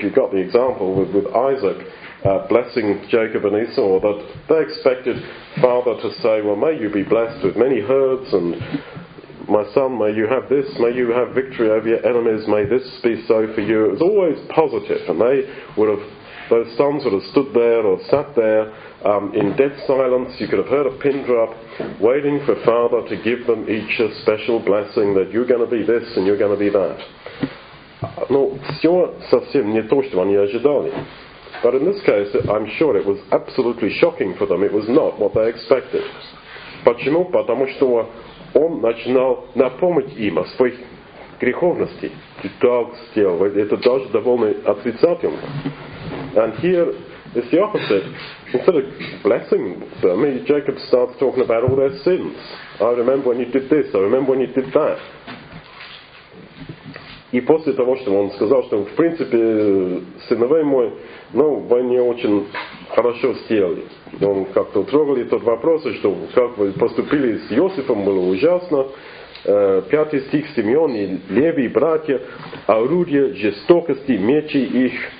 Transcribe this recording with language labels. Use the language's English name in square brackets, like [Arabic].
[English] You got the example with Isaac blessing Jacob and Esau, that they expected father to say, well, may you be blessed with many herds, and my son, may you have this, may you have victory over your enemies, may this be so for you. It was always positive, and they would have, those sons would have stood there or sat there in dead silence. You could have heard a pin drop, waiting for father to give them each a special blessing, that you're going to be this and you're going to be that. [Russian] Ну, все совсем не то, что они ожидали. [English] But in this case, I'm sure it was absolutely shocking for them. It was not what they expected. [Russian] Почему? Потому что он начинал напомнить им о своих греховности. Ты так сделал. Это даже довольно отрицательно. [English] And here is the opposite. Instead of blessing them, Jacob starts talking about all their sins. I remember when you did this. I remember when you did that. [Russian] И после того, что он сказал, что в принципе, сыновей мой, ну, вы не очень хорошо сделали. Он как-то трогал тот вопрос, что как вы поступили с Иосифом, было ужасно. Пятый стих, Симеон и Леви, братья, орудия жестокости, мечи их.